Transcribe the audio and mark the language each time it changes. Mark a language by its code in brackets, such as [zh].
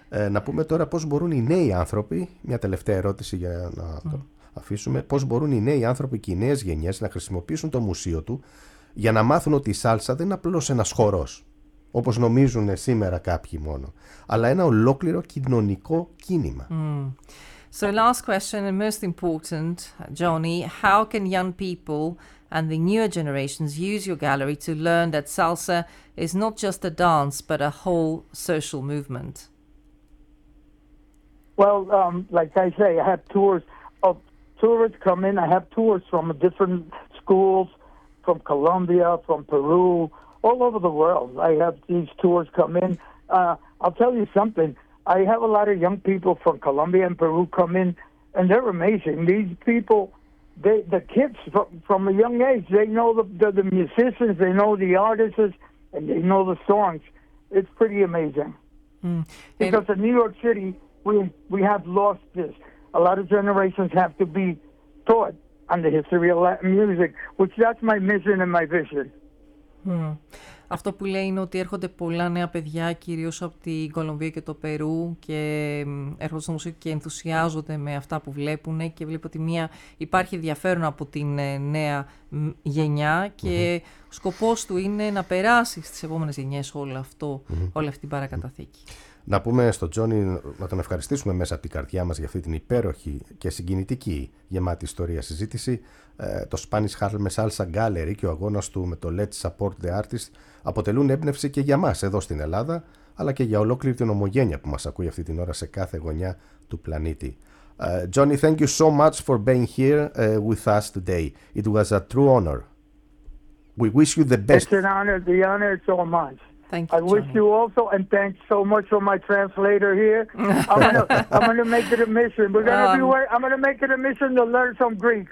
[el] Να πούμε τώρα πώς μπορούν οι νέοι άνθρωποι, μια τελευταία ερώτηση για να το αφήσουμε, πώς μπορούν οι νέοι άνθρωποι και οι νέες γενιές να χρησιμοποιήσουν το μουσείο του για να μάθουν ότι η σάλσα δεν είναι απλώς ένας χορός, όπως νομίζουν σήμερα κάποιοι μόνο, αλλά ένα ολόκληρο κοινωνικό κίνημα. [en] So last question and most important, Johnny, how can young people and the newer generations use your gallery to learn that salsa is not just a dance but a whole social movement? Well, like I say, I have tours of tourists come in. I have tours from different schools, from Colombia, from Peru, all over the world. I have these tours come in. I'll tell you something. I have a lot of young people from Colombia and Peru come in, and they're amazing. These people, the kids from a young age, they know the musicians, they know the artists, and they know the songs. It's pretty amazing. Because in New York City, we have lost this. A lot of generations have to be taught on the history of Latin music, which that's my mission and my vision. [el] Αυτό που λέει είναι ότι έρχονται πολλά νέα παιδιά, κυρίως από την Κολομβία και το Περού, και έρχονται στο μουσείο και ενθουσιάζονται με αυτά που βλέπουν, και βλέπω ότι υπάρχει ενδιαφέρον από την νέα γενιά και σκοπός του είναι να περάσει στις επόμενες γενιές όλο αυτό, όλη αυτή την παρακαταθήκη. Να πούμε στον Τζόνι να τον ευχαριστήσουμε μέσα από την καρδιά μας για αυτή την υπέροχη και συγκινητική γεμάτη ιστορία συζήτηση. Το Spanish Harlem Salsa Gallery και ο αγώνας του με το Let's Support the Artist αποτελούν έμπνευση και για μας εδώ στην Ελλάδα, αλλά και για ολόκληρη την ομογένεια που μας ακούει αυτή την ώρα σε κάθε γωνιά του πλανήτη. [en] Johnny, thank you so much for being here with us today. It was a true honor. We wish you the best. It's an honor. The honor is all mine. Thank you, I wish you also, and thanks so much for my translator here. I'm gonna make it a mission. We're gonna be. I'm gonna make it a mission to learn some Greek.